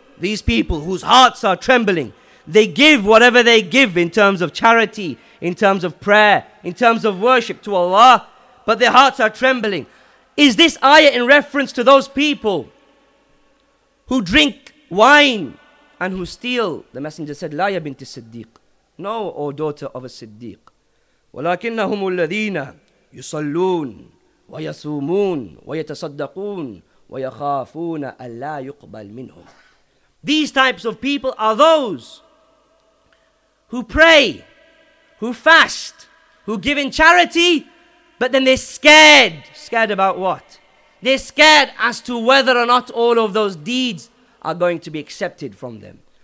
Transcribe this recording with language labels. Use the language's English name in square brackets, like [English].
[English] These people whose hearts are trembling, they give whatever they give in terms of charity, in terms of prayer, in terms of worship to Allah, but their hearts are trembling. Is this ayah in reference to those people who drink wine and who steal? The Messenger said, [Arabic] La ya binti Siddiq. [English] No, O daughter of a Siddiq. [Arabic] ولكنهم الذين يصلون ويصومون ويتصدقون ويخافون ألا يقبل منهم. [English] These types of people are those who pray, who fast, who give in charity, but then they're scared. Scared about what? They're scared as to whether or not all of those deeds are going to be accepted from them.